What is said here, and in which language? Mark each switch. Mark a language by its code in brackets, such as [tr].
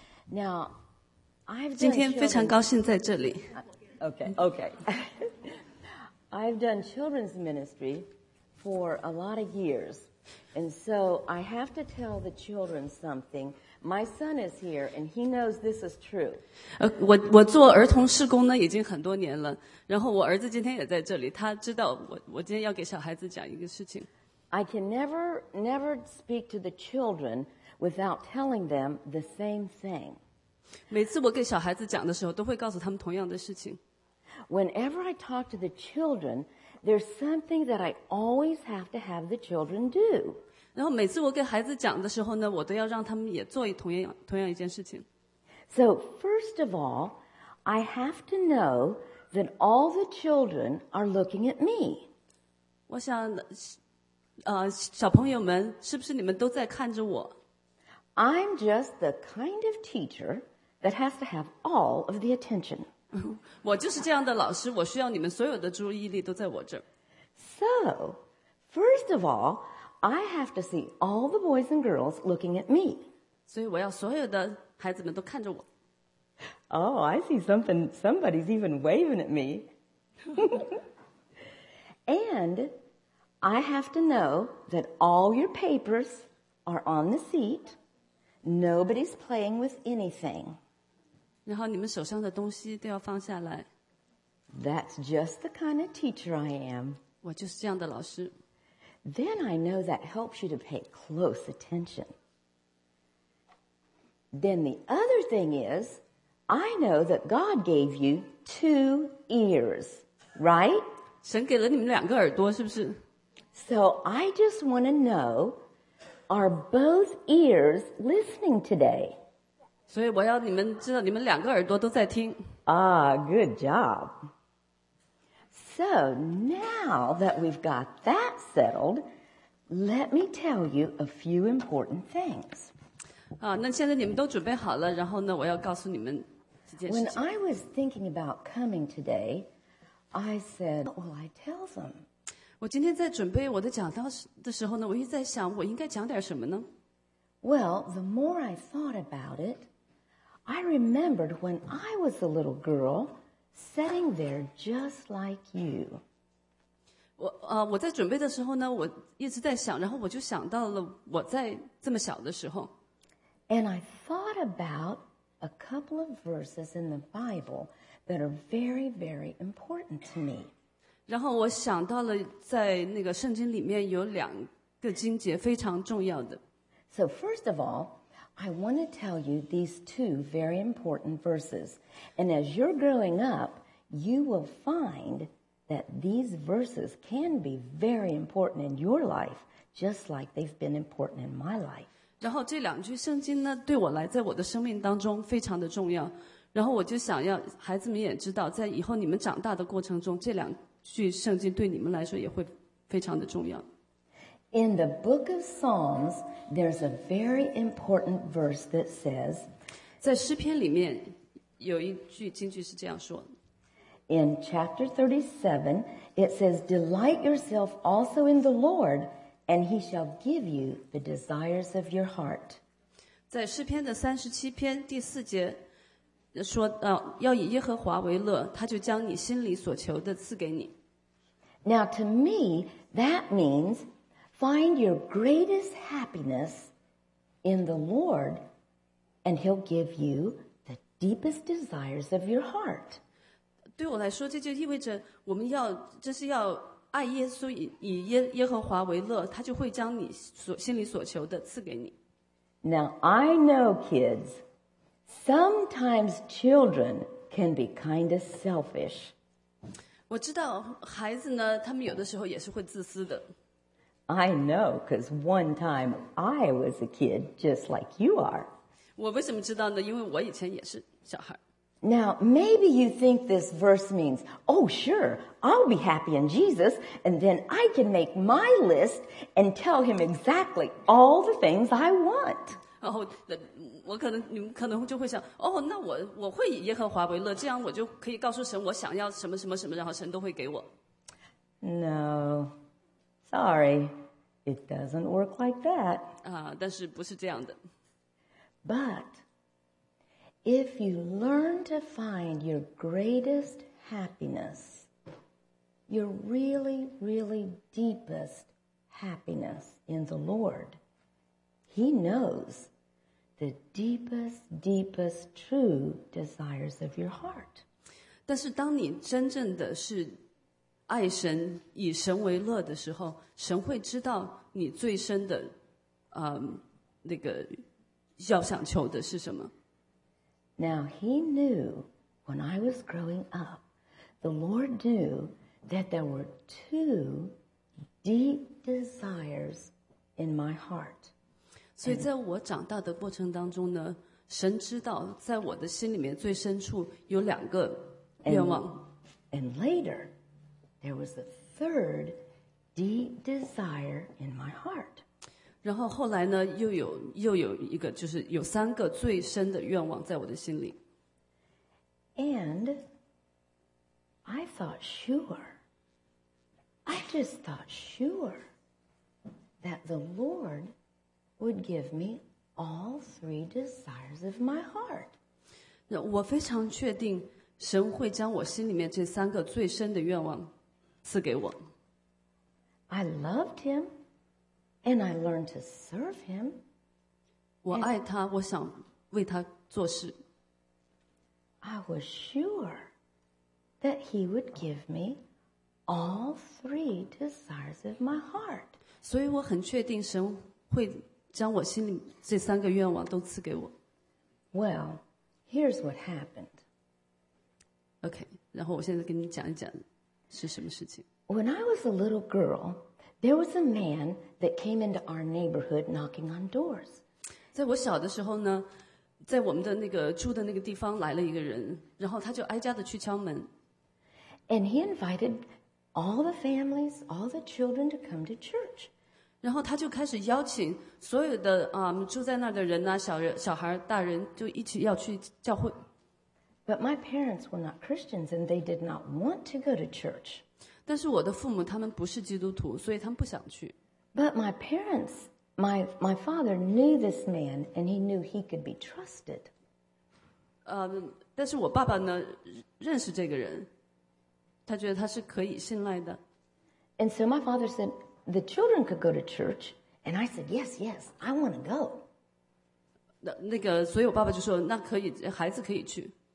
[en] Now, I've done. [zh] 今天非常高兴在这里。 [en] Okay. I've done children's ministry for a lot of years, and so I have to tell the children something. My son is here, and he knows this is true. [zh] 我做儿童事工呢已经很多年了，然后我儿子今天也在这里，他知道我今天要给小孩子讲一个事情。 [en] I can never speak to the children without telling them the same thing. [zh] 每次我跟小孩子讲的时候，都会告诉他们同样的事情。 [en] Whenever I talk to the children, there's something that I always have to have the children do. [zh] 然后每次我跟孩子讲的时候呢，我都要让他们也做同样一件事情。 [en] So first of all, I have to know that all the children are looking at me. [zh] 我想。小朋友们，是不是你们都在看着我？ [en] I'm just the kind of teacher that has to have all of the attention. [zh] 我就是这样的老师，我需要你们所有的注意力都在我这儿。 [en] So, first of all, I have to see all the boys and girls looking at me. [zh] 所以我要所有的孩子们都看着我。 [en] Oh, I see somebody's even waving at me. And... I have to know that all your papers are on the seat. Nobody's playing with anything. [zh] 然后你们手上的东西都要放下来。 [en] That's just the kind of teacher I am. [zh] 我就是这样的老师。 [en] Then I know that helps you to pay close attention. Then the other thing is, I know that God gave you two ears, right? [zh] 神给了你们两个耳朵，是不是？ [en] So I just want to know, are both ears listening today? [zh] 所以我要你们知道，你们两个耳朵都在听。 [en] Ah, good job. So now that we've got that settled, let me tell you a few important things. [zh] 啊，那现在你们都准备好了，然后呢，我要告诉你们几件事。 [en] When I was thinking about coming today, I said, what will I tell them? [zh] 我今天在准备我的讲道的时候呢，我一直在想，我应该讲点什么呢？ [en] Well, the more I thought about it, I remembered when I was a little girl, sitting there just like you. [zh] 我在准备的时候呢，我一直在想，然后我就想到了我在这么小的时候。 [en] And I thought about a couple of verses in the Bible that are very, very important to me. [zh] 然后我想到了在那个圣经里面有两个经节非常重要的。 [en] So first of all, I want to tell you these two very important verses. And as you're growing up, you will find that these verses can be very important in your life, just like they've been important in my life. [zh] 然后这两句圣经呢，对我来在我的生命当中非常的重要。然后我就想要孩子们也知道，在以后你们长大的过程中，这两句圣经对你们来说也会非常的重要。 [en] In the book of Psalms, there's a very important verse that says, [zh] 在诗篇里面有一句经句是这样说的。 [en] In chapter 37, it says, Delight yourself also in the Lord, and he shall give you the desires of your heart. [zh] 在诗篇的37篇第四节说，要以耶和华为乐，他就将你心里所求的赐给你。 [en] Now to me, that means find your greatest happiness in the Lord, and he'll give you the deepest desires of your heart. [zh] 对我来说，这就意味着我们要，这是要爱耶稣，以耶和华为乐，他就会将你所心里所求的赐给你。 [en] Now I know kids. Sometimes children can be kind of selfish. [zh] 我知道孩子呢，他们有的时候也是会自私的。 [en] I know, because one time I was a kid just like you are. [zh] 我为什么知道呢？因为我以前也是小孩。 [en] Now, maybe you think this verse means, oh, sure, I'll be happy in Jesus, and then I can make my list and tell him exactly all the things I want. [zh] 然后我可能你们可能就会想哦，那我会以耶和华为乐，这样我就可以告诉神我想要什么什么什么，然后神都会给我。 [en] No, sorry, it doesn't work like that. [zh] 但是不是这样的。 [en] But if you learn to find your greatest happiness, your really, really deepest happiness in the Lord, he knowsThe deepest, deepest, true desires of your heart. [zh] 但是当你真正的是爱神，以神为乐的时候，神会知道你最深的，那个要想求的是什么。 [en] Now he knew when I was growing up, the Lord knew that there were two deep desires in my heart. [zh] 所以在我长大的过程当中呢，神知道在我的心里面最深处有两个愿望。 [en] And later, there was a third deep desire in my heart. [zh] 然后后来呢，又有一个，就是有三个最深的愿望在我的心里。 [en] And I thought sure, I just thought sure that the Lord. Would give me all three desires of my heart. [zh] 那我非常确定，神会将我心里面这三个最深的愿望赐给我。 [en] I loved him, and I learned to serve him. [zh] 我爱他，我想为他做事。 [en] I was sure that he would give me all three desires of my heart. [zh] 所以我很确定神会将我心里这三个愿望都赐给我。 [en] Well, here's what happened. [zh] Okay, 然后我现在跟你讲一讲是什么事情。 [en] When I was a little girl, there was a man that came into our neighborhood knocking on doors. [zh] 在我小的时候呢，在我们的那个住的那个地方来了一个人，然后他就挨家的去敲门。 [en] And he invited all the families, all the children to come to church. [zh] 然后他就开始邀请所有的住在那儿的人呐、啊，小人、小孩、大人，就一起要去教会。 [en] But my parents were not Christians, and they did not want to go to church. [zh] 但是我的父母他们不是基督徒，所以他们不想去。 [en] But my parents, my father knew this man, and he knew he could be trusted. [zh] 但是我爸爸呢，认识这个人。他觉得他是可以信赖的。 [en] And so my father said, the children could go to church. And I said, yes, yes, I want to go. [zh] 那个，所以我爸爸就说，那可以，孩子可以去。